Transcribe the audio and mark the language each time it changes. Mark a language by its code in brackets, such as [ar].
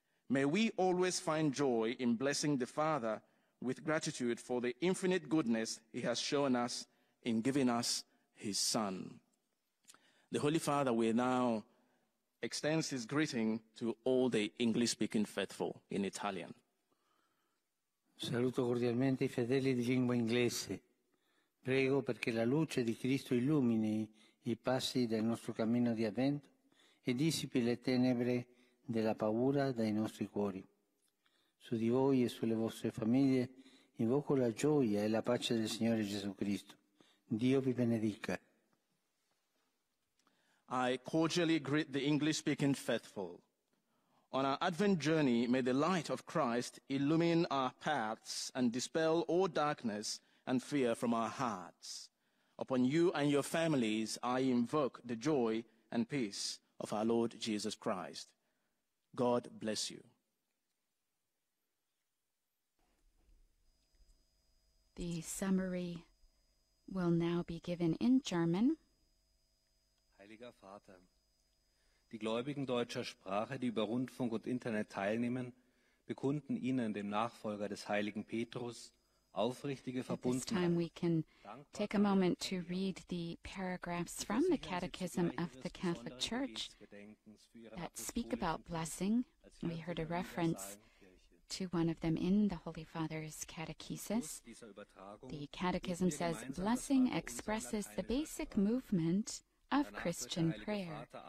[en] May we always find joy in blessing the Father with gratitude for the infinite goodness he has shown us in giving us his Son. The Holy Father will now extends his greeting to all the English-speaking faithful in Italian. [it] Saluto cordialmente i fedeli di lingua inglese. Prego perché la luce di Cristo illumini i passi del nostro cammino di avvento e dissipi le tenebre della paura dai nostri cuori. Su di voi e sulle vostre famiglie invoco la gioia e la pace del Signore Gesù Cristo. Dio vi benedica. [en] I cordially greet the English-speaking faithful. On our Advent journey, may the light of Christ illumine our paths and dispel all darkness and fear from our hearts. Upon you and your families, I invoke the joy and peace of our Lord Jesus Christ. God bless you. The summary will now be given in German. [de] Heiliger Vater, die Gläubigen deutscher Sprache, die über Rundfunk und Internet teilnehmen, bekunden Ihnen, dem Nachfolger des heiligen Petrus, aufrichtige Verbundenheit. [en] This time we can take a moment to read the paragraphs from the Catechism of the Catholic Church that speak about blessing. We heard a reference to one of them in the Holy Father's catechesis. The Catechism says, blessing expresses the basic movement of Christian prayer.